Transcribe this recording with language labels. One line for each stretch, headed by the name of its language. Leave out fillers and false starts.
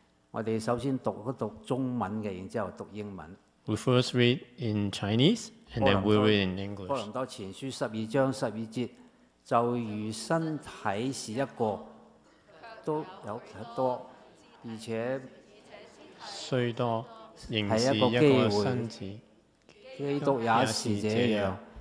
Chinese: 我们首先读一读中文的，然后读英文。
English: We first read in Chinese, and then we'll read in English.
Chinese: 哥林多前书十二章十二节，就如身体是一个，都有许多，而且虽多，仍是一个身体。基督也是这样。